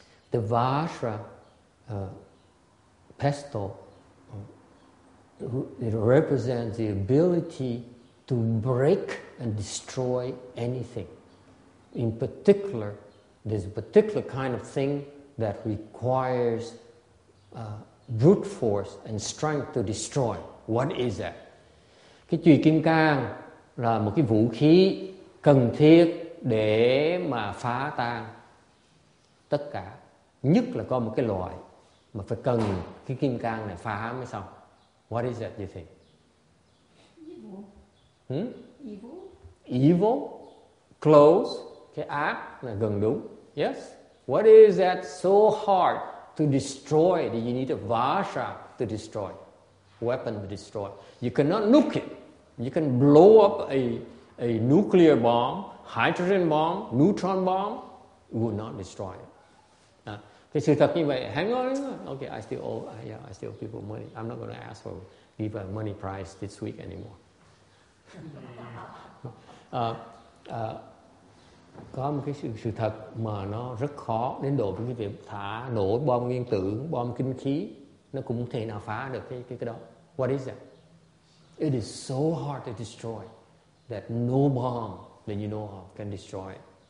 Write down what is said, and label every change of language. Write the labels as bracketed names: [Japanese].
[English] The Vajra pestle it represents the ability to break and destroy anything. In particular, there's a particular kind of thing that requires brute force and strength to destroy. What is that? [Vietnamese] Cái chùy kim cang là một cái vũ khí cần thiết để mà phá tan tất cả. Nhất là có một cái loại mà phải cần cái kim cang này phá mới xong. [English] What is that, you think? Evil. Hmm? Evil. Evil. Close. [Vietnamese] Cái ác là gần đúng. [English] Yes. What is that so hard to destroy, that you need a vajra to destroy, weapon to destroy? You cannot nuke it. You can blow up a nuclear bomb, hydrogen bomb, neutron bomb, will not destroy it. [Vietnamese] Cái sự thật như vậy, [English] hang on. Okay, I still owe people money. I'm not going to ask for give a money prize this week anymore. [Vietnamese] Có một cái sự thật mà nó rất khó đến độ với việc thả nổ bom nguyên tử, bom kinh khí, nó cũng không thể nào phá được cái đó. [English] What is that? It is so hard to destroy that no bomb that you know of can destroy it.